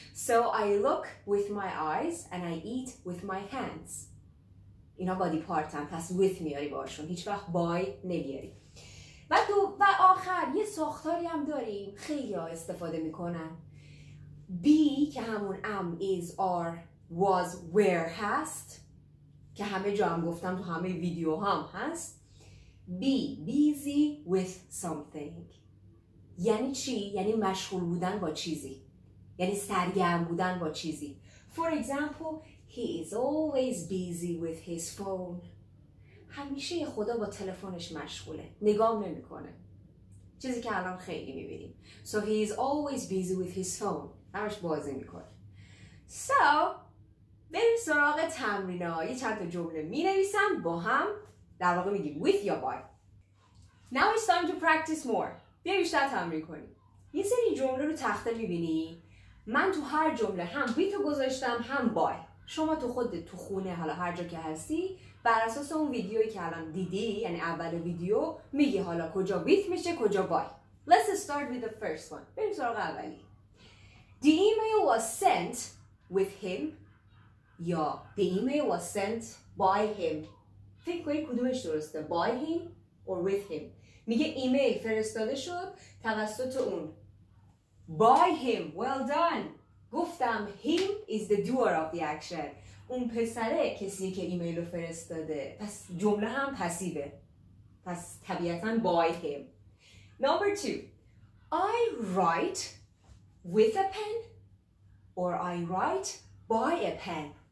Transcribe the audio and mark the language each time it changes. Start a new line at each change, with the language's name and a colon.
English: So I look with my eyes and I eat with my hands.
Persian: اینا body part هم پس with میاری باشون. هیچ وقت by نمیاری. و تو و آخر یه ساختاری هم داریم خیلی ها استفاده میکنن. Be که همون am, is, are, was, where هست که همه جا هم گفتم تو همه ویدیو هم هست.
English: Be busy with something
Persian: یعنی چی؟ یعنی مشغول بودن با چیزی، یعنی سرگرم بودن با چیزی.
English: For example, he is always busy with his phone.
Persian: همیشه خدا با تلفنش مشغوله، نگاه نمی کنه، چیزی که الان خیلی می بینیم.
English: So he is always busy with his phone.
Persian: همش بازی می کنه. So بریم سراغ تمرین ها. یه چند تا جمله می نویسم با هم، در واقع می گیم with یا by.
English: Now it's time to practice more.
Persian: بیا بیشتر تمرین کنیم. یه سری جمله رو تخته می بینی، من تو هر جمله هم with رو گذاشتم هم by. شما تو خود تو خونه حالا هر جا که هستی بر اساس اون ویدیویی که الان دیدی، یعنی اول ویدیو، میگی حالا کجا with میشه کجا by.
English: Let's start with the first one.
Persian: بریم سراغ اولی.
English: The email was sent with him یا the email was sent by him.
Persian: فکر کنید کدومش درسته،
English: by him or with him.
Persian: میگه ایمیل فرستاده شد توسط اون.
English: By him. Well done.
Persian: گفتم
English: him is the doer of the action.
Persian: اون پسره کسی که ایمیلو فرستاده. پس جمله هم پسیوه. پس طبیعتاً
English: by him. Number two. I write with a pen or I write by a pen.